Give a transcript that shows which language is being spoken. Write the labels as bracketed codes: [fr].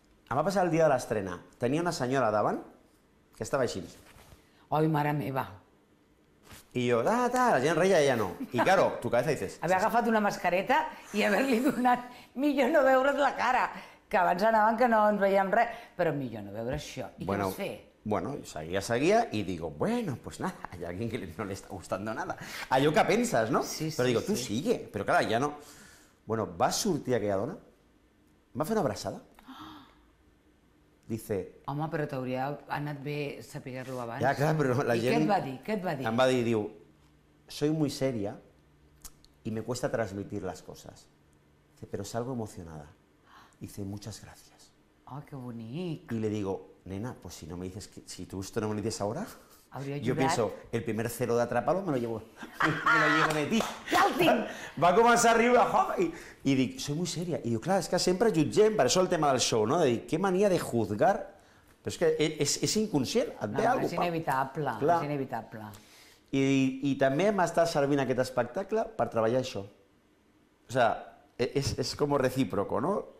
[ca] Em va passar el dia de l'estrena. Tenia una senyora davant que estava així. Ai, mare meva. I jo, la gent reia i ella no. I claro, [es] tu cabeza dices... [ca] Haver agafat una mascareta i haver-li donat millor no veure't la cara. Que abans anaven que no ens veiem res, però millor no veure això. I bueno, què vas fer? [es] Bueno, seguia i digo, bueno, pues nada, hay alguien que no le está gustando nada. [ca] Allò que penses, no? Sí, sí. Però digo, sí. [es] Tu sigue. [ca] Però clar, ja no... Bueno, va sortir aquella dona, em va fer una abraçada. Dice... Home, però t'hauria anat bé saber-lo abans. Ja, clar, però la I gent... I què et va dir? Què et va dir? Em va dir, diu, [es] soy muy seria y me cuesta transmitir las cosas. Dice, pero salgo emocionada. Dice, muchas gracias. [ca] Oh, qué bonic. [es] Y le digo, nena, pues si no me dices... Si tú esto no me lo dices ahora... [ca] Hauria jurat. [es] Yo pienso, el primer cero de Atrápalo me lo llevo... me lo llevo de ti. [ca] Ja el tinc. Va començar a riure, home, i dic, [es] soy muy seria. [ca] I diu, clar, és que sempre jutgem, per això el tema del show, no? De dir, [es] qué manía de juzgar. [ca] Però és que és inconscient, et ve algo. És inevitable, clar. És inevitable. I també m'està servint aquest espectacle per treballar això. O sea, és com recíproco, no?